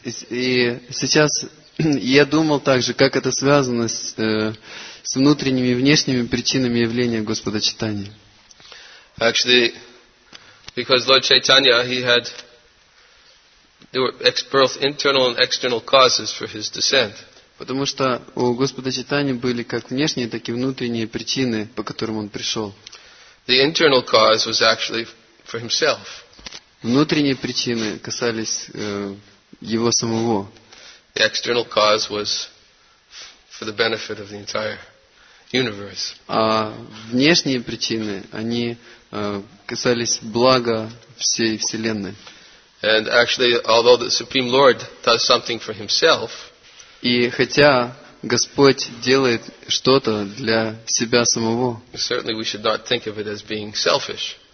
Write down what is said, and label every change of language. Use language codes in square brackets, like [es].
[ru] И сейчас я думал также, как это связано с внутренними и внешними причинами явления Господа Чайтаньи. [en] Actually, because Lord Chaitanya, he had there were both internal and external causes for his descent. [ru] Потому что у Господа Чайтаньи были как внешние, так и внутренние причины, по которым он пришел. [en] The internal cause was actually for himself. [ru] Внутренние причины касались его самого. [en] The external cause was for the benefit of the entire universe. [ru] А внешние причины, они касались блага всей вселенной. [en] And actually, although the Supreme Lord does something for himself, [ru] и хотя Господь делает что-то для себя самого, [en] certainly we should not think of it as being selfish.